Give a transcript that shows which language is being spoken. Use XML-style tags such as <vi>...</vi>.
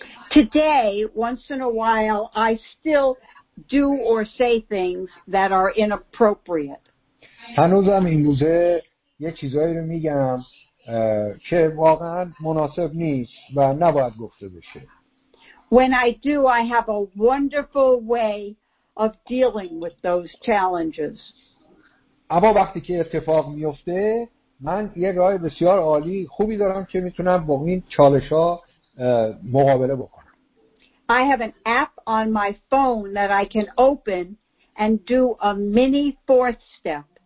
<en>Today, once in a while, I still do or say things that are inappropriate.</en> <fa>هنوزم این روزه یه چیزایی رو میگم که واقعا مناسب نیست و نباید گفته بشه.</fa> <en>When I do, I have a wonderful way of dealing with those challenges.</en> <fa>اما وقتی که اتفاق میفته من یه راه بسیار عالی خوبی دارم که میتونم با این چالش ها مقابله بکنم.</fa> <en>I have an app on my phone that I can open and do a mini fourth step.</en>